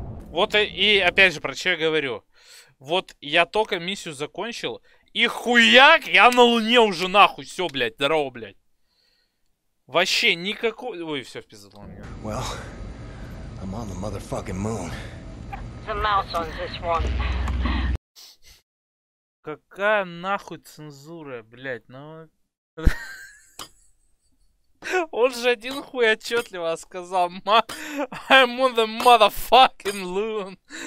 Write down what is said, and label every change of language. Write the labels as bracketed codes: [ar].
[ru] Вот и опять же, про что я говорю. Вот я только миссию закончил, и хуяк, я на Луне уже нахуй, все, блядь, здорово, блядь. Вообще никакой... Ой, все, впиздало меня. [en] Well, I'm on the motherfucking moon. The mouse on this one. [ru] Какая нахуй цензура, блядь, ну... Он же один хуй отчетливо сказал: [en] I'm on the motherfucking loon.